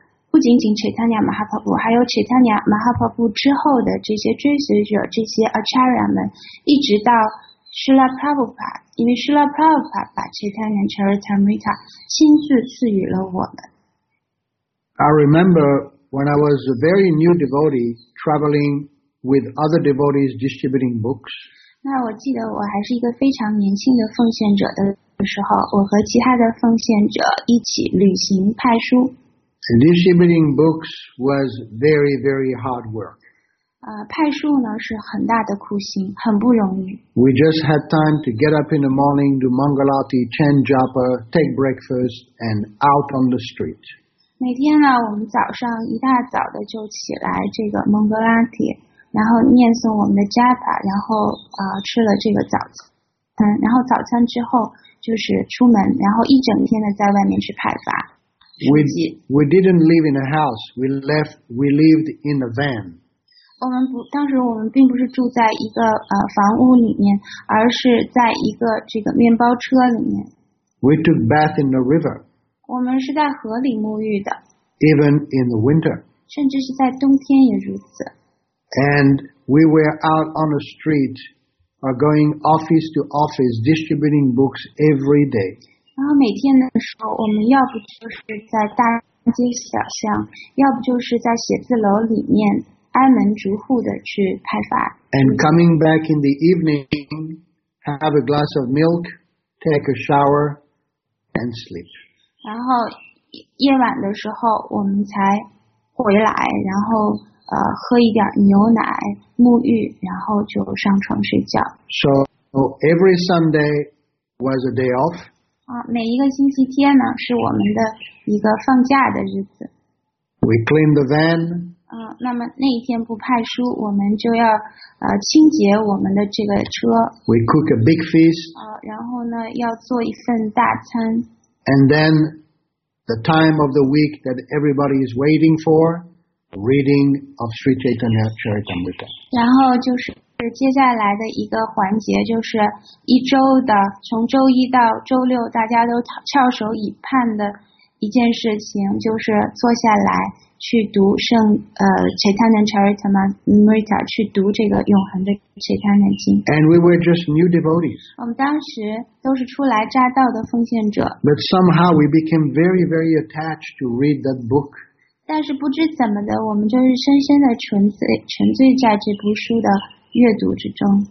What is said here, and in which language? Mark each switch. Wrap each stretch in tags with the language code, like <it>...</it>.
<zh>不仅仅 Chaitanya Mahaprabhu, 还有 Chaitanya Mahaprabhu 之后的这些追随者，这些 acharya 们，一直到。 Srila Prabhupada, 因为 Srila Prabhupada 把 Chaitanya Charitamrita 亲自赐予了我们。</zh> <en>I remember when I was a very new devotee traveling with other devotees distributing books.</en> <zh>那我记得我还是一个非常年轻的奉献者的时候，我和其他的奉献者一起旅行派书。</zh> <en>Distributing books was very, very hard work.</en> <zh>派书呢是很大的苦心，很不容易。</zh> <en>We just had time to get up in the morning, do Mangalati, chant Japa, take breakfast, and out on the street.</en> <zh>每天呢，我们早上一大早的就起来，这个蒙格拉提，然后念诵我们的 Japa, 然后吃了这个早餐，然后早餐之后就是出门，然后一整天的在外面去派发。</zh> <en>We didn't live in a house. We lived in a van.</en> <zh>我们不，当时我们并不是住在一个房屋里面，而是在一个这个面包车里面。</zh> <en>We took bath in the river.</en> <zh>我们是在河里沐浴的。</zh> <en>Even in the winter.</en> <zh>甚至是在冬天也如此。</zh> <en>And we were out on the street, going office to office, distributing books every day.</en> <zh>然后每天的时候，我们要不就是在大街小巷，要不就是在写字楼里面。开门逐户的去派发。</zh> <en>And coming back in the evening, have a glass of milk, take a shower, and sleep.</en> <zh>然后夜晚的时候我们才回来，然后喝一点牛奶，沐浴，然后就上床睡觉。</zh> <en>So every Sunday was a day off.</en> <zh>每一个星期天呢，是我们的一个放假的日子。</zh> <en>We clean the van.</en> <zh>那么那一天不派书，我们就要清洁我们的这个车。</zh> <en>We cook a big feast.</en> <zh>然后呢，要做一份大餐。</zh> <en>And then the time of the week that everybody is waiting for, reading of Sri Chaitanya Charitamrita.</en> <zh>然后就是。接下来的一个环节就是一周的从周一到周六大家都翘首以盼的一件事情就是坐下来去读圣Chaitanya Charitamrita 去读这个永恒的 Chaitanya 经</zh> <en>And we were just new devotees.</en> <zh>我们当时都是初来乍到的奉献者</zh> <en>But somehow we became very very attached to read that book.</en> <zh>但是不知怎么的我们就是深深的沉醉在这部书的阅读之中</zh>